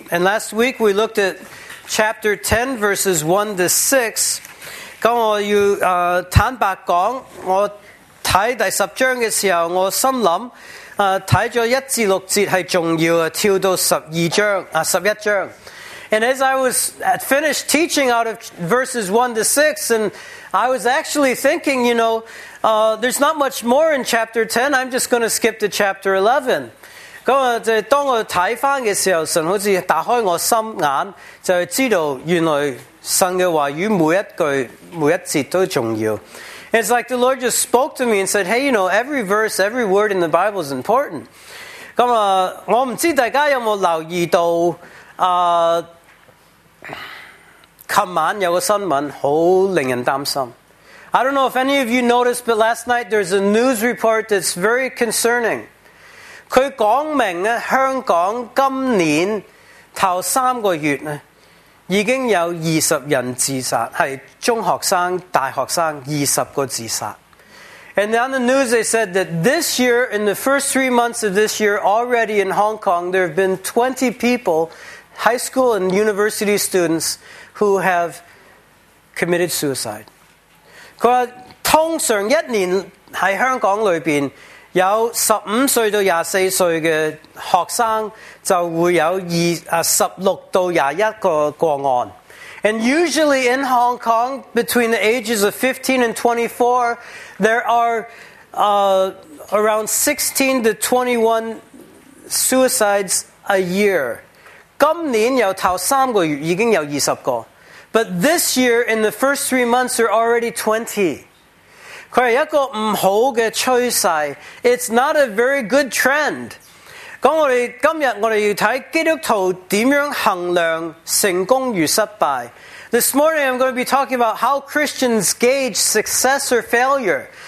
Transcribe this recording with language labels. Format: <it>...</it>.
<en>And last week we looked at chapter 10 verses 1 to 6.</en> <yue>咁我要坦白讲，我睇第十章嘅时候，我心谂，睇咗一至六节系重要啊，跳到十一章。</yue> <en>And as I was finished teaching out of verses 1 to 6, and I was actually thinking, you know, there's not much more in chapter 10. I'm just going to skip to chapter 11.</en> <yue>咁啊，即系当我睇翻嘅时候，神好似打开我心眼，就知道原来神嘅话语每一句每一节都重要。</yue> <en>It's like the Lord just spoke to me and said, "Hey, you know, every verse, every word in the Bible is important."</en> <yue>咁啊，我唔知大家有冇留意到啊？琴晚有个新闻好令人担心。</yue> <en>I don't know if any of you noticed, but last night there's a news report that's very concerning.</en> <yue>佢讲明香港今年头三个月已经有20人自杀，是中学生、大学生20个自杀。</yue> <en>And on the news, they said that this year, in the first 3 months of this year, already in Hong Kong, there have been 20 people, high school and university students, who have committed suicide.</en> <yue>佢说通常一年在香港里面有15岁到24岁的学生就会有16到21个个案。</yue> <en>And usually in Hong Kong, between the ages of 15 and 24, there are around 16 to 21 suicides a year.</en> <yue>今年有头三个月已经有20个。</yue> <en>But this year, in the first 3 months, there are already 20.</en> <yue>佢係一個唔好嘅趨勢 ，</yue> <en>it's not a very good trend。</en> <yue>咁我哋今日我哋要睇基督徒點樣衡量成功與失敗。</yue> <en>This morning I'm going to be talking about how Christians gauge success or failure。</en>